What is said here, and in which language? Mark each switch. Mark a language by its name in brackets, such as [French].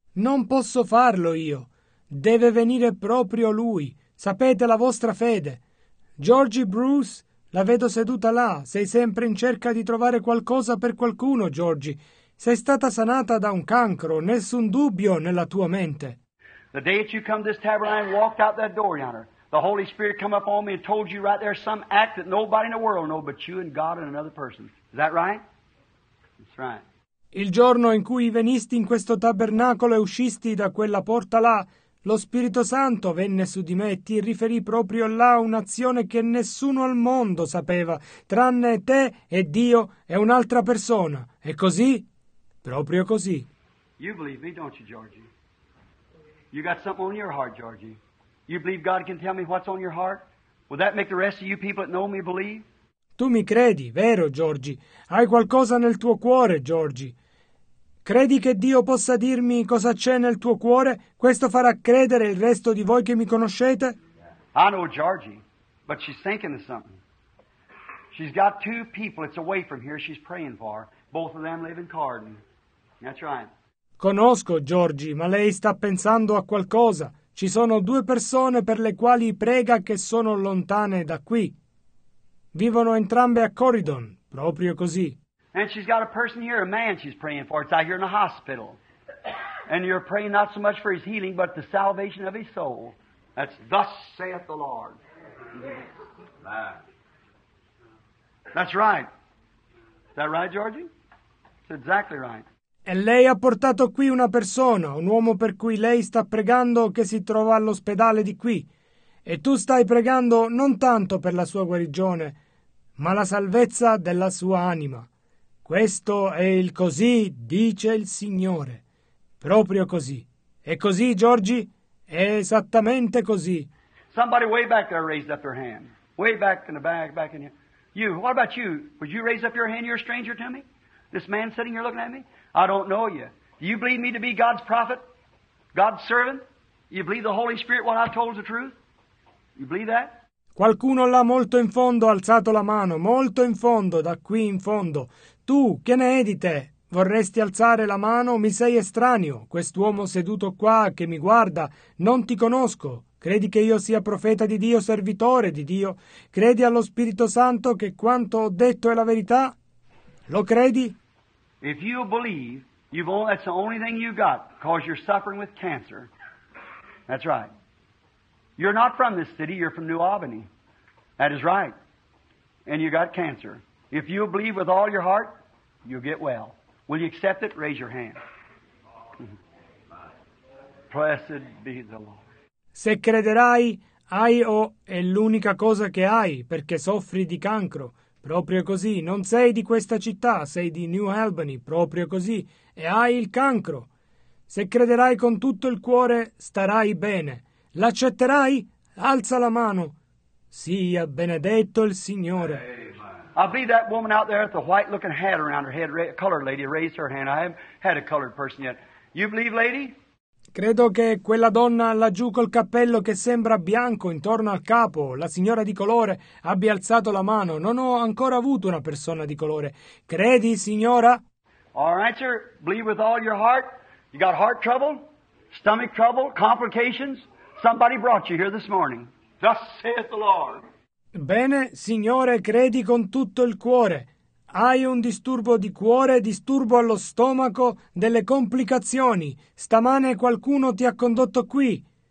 [Italian] Non posso farlo io. Deve venire proprio lui. Sapete la vostra fede. Georgie Bruce, la vedo seduta là. Sei sempre in cerca di trovare qualcosa per qualcuno, Georgie. Sei stata sanata da un cancro. Nessun dubbio nella tua mente. [English] The day that you come to this tabernacle and walked out that door, yonder, the Holy Spirit come up on me and told you right there some act that nobody in the world knows but you and God and another person. Is that right? [Italian] Il giorno in cui venisti in questo tabernacolo e uscisti da quella porta là, lo Spirito Santo venne su di me e ti riferì proprio là un'azione che nessuno al mondo sapeva, tranne te e Dio e un'altra persona. È così? Proprio così. [English] You believe me, don't you, Georgie? You got something on your heart, Georgie. You believe God can tell me what's on your heart? Would that make the rest of you people that know me believe? [Italian] Tu mi credi, vero, Georgie? Hai qualcosa nel tuo cuore, Georgie? Credi che Dio possa dirmi cosa c'è nel tuo cuore? Questo farà credere il resto di voi che mi conoscete? [English] I know Georgie, but she's thinking of something. She's got two people that's away from here she's praying for. Both of them live in Carden. That's right. [Italian] Conosco, Georgie, ma lei sta pensando a qualcosa. Ci sono due persone per le quali prega che sono lontane da qui. Vivono entrambe a Corydon, proprio così. [English] And she's got a person here, a man she's praying for. It's out here in the hospital. And you're praying not so much for his healing, but the salvation of his soul. That's thus saith the Lord. That's right. Is that right, Georgie? It's exactly right. [Italian] E lei ha portato qui una persona, un uomo per cui lei sta pregando che si trova all'ospedale di qui. E tu stai pregando non tanto per la sua guarigione, ma la salvezza della sua anima. Questo è il così, dice il Signore. Proprio così. È così, Giorgi? È esattamente così. [English] Somebody way back there raised up their hand. Way back in the back, back in here. You, what about you? Would you raise up your hand? You're a stranger to me? This man sitting here looking at me? I don't know you. Do you believe me to be God's prophet? God's servant? You believe the Holy Spirit what I told the truth? You believe that? [Italian] Qualcuno là molto in fondo ha alzato la mano, molto in fondo, da qui in fondo. Tu, che ne è di te? Vorresti alzare la mano? Mi sei estraneo. Quest'uomo seduto qua che mi guarda, non ti conosco. Credi che io sia profeta di Dio, servitore di Dio? Credi allo Spirito Santo che quanto ho detto è la verità? Lo credi? [English] If you believe, that's the only thing you got, because you're suffering with cancer. That's right. You're not from this city, you're from New Albany. That is right. And you got cancer. If you believe with all your heart, you'll get well. Will you accept it? Raise your hand. Blessed be the Lord. [Italian] Se crederai, hai o è l'unica cosa che hai, perché soffri di cancro. Proprio così. Non sei di questa città, sei di New Albany. Proprio così. E hai il cancro. Se crederai con tutto il cuore, starai bene. L'accetterai? Alza la mano. Sia benedetto il Signore. [English] I believe that woman out there with the white-looking hat around her head, a colored lady, raised her hand. I haven't had a colored person yet. You believe, lady? [Italian] Credo che quella donna laggiù col cappello che sembra bianco intorno al capo, la signora di colore, abbia alzato la mano. Non ho ancora avuto una persona di colore. Credi, signora? [English] All right, sir. Believe with all your heart. You got heart trouble, stomach trouble, complications. Somebody brought you here this morning. Thus saith the Lord. [Italian] Bene, signore, credi con tutto il cuore. Hai un disturbo di cuore, disturbo allo stomaco, delle complicazioni. Stamane qualcuno ti ha condotto qui.